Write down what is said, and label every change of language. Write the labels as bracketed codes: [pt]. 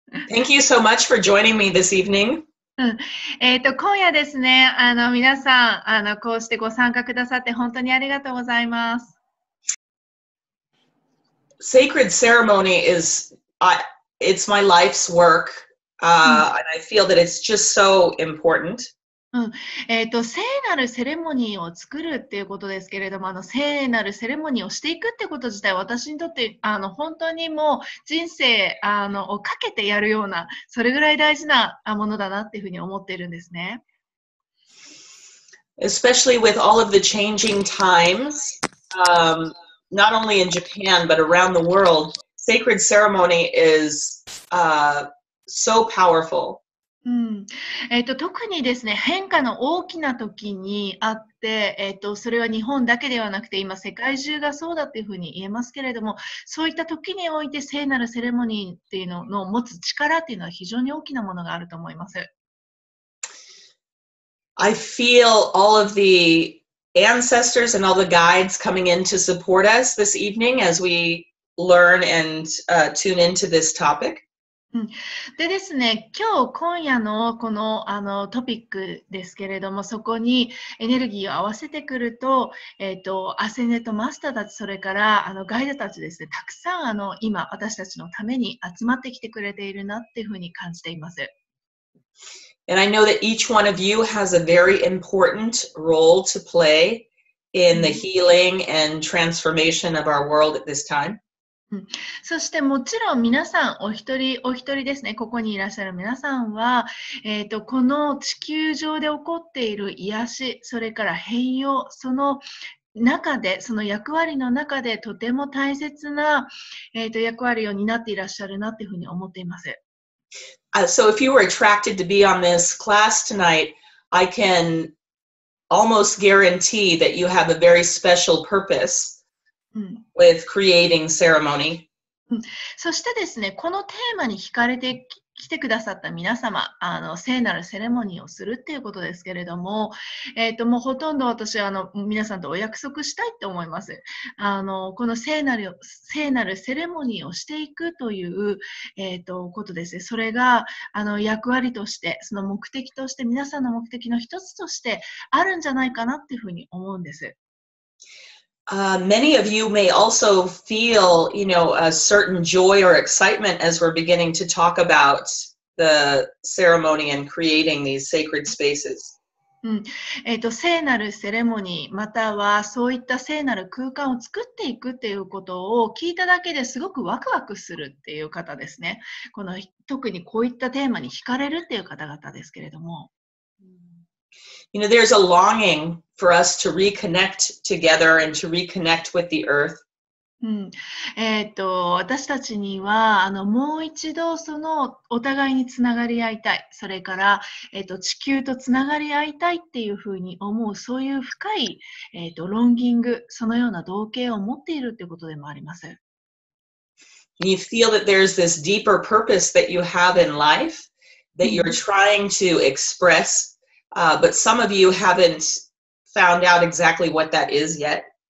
[en] Thank you so much for joining me this evening. [ja] 今夜ですね、皆さん、こうしてご参加くださって本当にありがとうございます。 [en] Sacred ceremony is, it's my life's work, and I feel that it's just so important. [ja] 聖なるセレモニーを作るっていうことですけれども、聖なるセレモニーをしていくってこと自体、私にとって本当にもう人生をかけてやるような、それぐらい大事なものだなっていうふうに思ってるんですね。 [en] Especially with all of the changing times, not only in Japan, but around the world, sacred ceremony is, so powerful. [ja] 特にですね、変化の大きな時にあって、それは日本だけではなくて、今世界中がそうだというふうに言えますけれども、そういった時において聖なるセレモニーっていうのの持つ力っていうのは非常に大きなものがあると思います。 [en] I feel all of the ancestors and all the guides coming in to support us this evening as we learn and, tune into this topic. [ja] でですね、今夜のこの、トピックですけれども、そこにエネルギーを合わせてくると、アセネとマスターたち、それからガイドたちですね、たくさん今私たちのために集まってきてくれているなっていうふうに感じています。 [en] And I know that each one of you has a very important role to play in the healing and transformation of our world at this time. [ja] そしてもちろん皆さんお一人お一人ですね、ここにいらっしゃる皆さんは、この地球上で起こっている癒し、それから変容、その中で、その役割の中でとても大切な、役割を担っていらっしゃるなというふうに思っています。 [en] So if you were attracted to be on this class tonight, I can almost guarantee that you have a very special purpose. With creating ceremony. [ja] そしてですね、このテーマに惹かれてきてくださった皆様、聖なるセレモニーをするっていうことですけれども、もうほとんど私は皆さんとお約束したいと思います。この聖なるセレモニーをしていくという、ことですね。それが役割として、その目的として、皆さんの目的の一つとしてあるんじゃないかなっていうふうに思うんです。 [en] Many of you may also feel, you know, a certain joy or excitement as we're beginning to talk about the ceremony and creating these sacred spaces. [ja] 聖なるセレモニー、またはそういった聖なる空間を作っていくっていうことを聞いただけですごくワクワクするっていう方ですね。この特にこういったテーマに惹かれるっていう方々ですけれども。 [en] You know, there's a longing for us to reconnect together and to reconnect with the earth. [ja] 私たちにはもう一度そのお互いにつながり合いたい、それから地球とつながり合いたいっていうふうに思う、そういう深いロンギング、そのような動機を持っているということでもあります。 [en] You feel that there's this deeper purpose that you have in life that you're trying to express. But some of you haven't found out exactly what that is yet.